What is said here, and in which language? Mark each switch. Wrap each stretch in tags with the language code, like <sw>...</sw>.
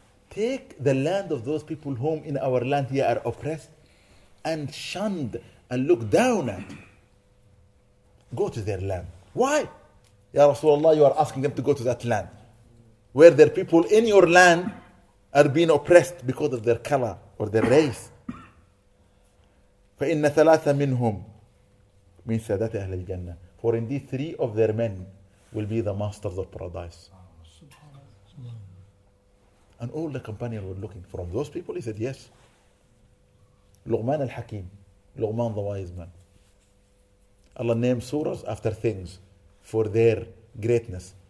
<en>Take the land of those people whom in our land here are oppressed and shunned and look down at. Go to their land. Why? Ya Rasulullah, you are asking them to go to that land where their people in your land are being oppressed because of their color or their race.</en> <ar>فإن ثلاثة منهم من سادات أهل الجنة.</ar> <en>For indeed three of their men will be the masters of paradise. And all the companions were looking from those people. He said, yes. Luqman al-Hakim. Luqman the wise man. Allah named surahs after things for their greatness.</en>